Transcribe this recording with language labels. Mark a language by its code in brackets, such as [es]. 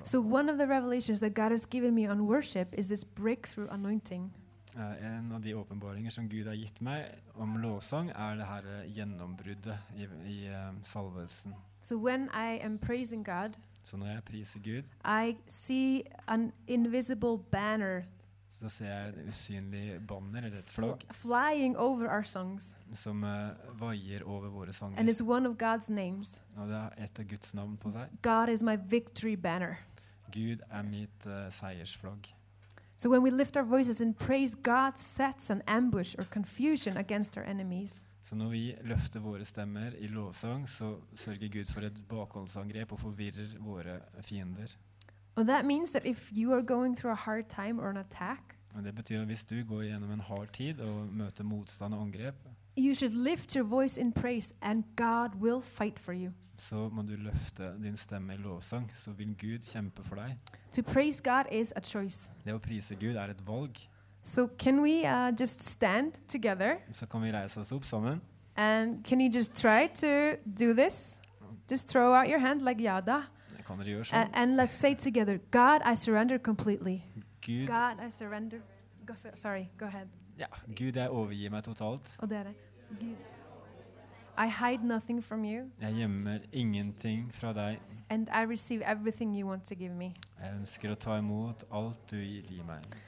[en] So one of the revelations that God has given me on worship is this breakthrough anointing. [no] En av de åpenbaringer som Gud har gitt meg om lovsang det her gjennombruddet I salvelsen. [en] So when I am praising God, [no] så når jeg priser Gud, [en] I see an invisible banner. [no] Så ser jeg en usynlig banner eller et flagg [en] flying over our songs [no] som vajer over våre sanger [en] and it's one of God's names [no] og det et av Guds navn på seg [en] God is my victory banner [no] Gud mitt seiersflagg [en] so when we lift our voices in praise God sets an ambush or confusion against our enemies [no] så når vi løfter våre stemmer I lovsang så sørger Gud for et bakholdsangrep og forvirrer våre fiender [en] Well, that means that if you are going through a hard time or an attack, [no] det betyder hvis du går igenom en hard tid och möter motstånd och angrepp, [en] you should lift your voice in praise and God will fight for you. [no] Så må du løfte din stemme I lovsang, så vil Gud kjempe for deg. [en] To praise God is a choice. [no] Det å prise Gud et valg. [en] So can we just stand together? [no] Så kan vi reise oss opp sammen. [en] And can you just try to do this? Just throw out your hand like Yoda. And let's say together, God, I surrender completely. [no] Gud, [en] God, I surrender. Go ahead. [no] Ja, Gud, jeg overgir meg totalt. Oh, det det. [en] Gud, I hide nothing from you. [no] Jeg gjemmer ingenting fra deg. [en] And I receive everything you want to give me. [no] Jeg ønsker å ta imot alt du gir meg.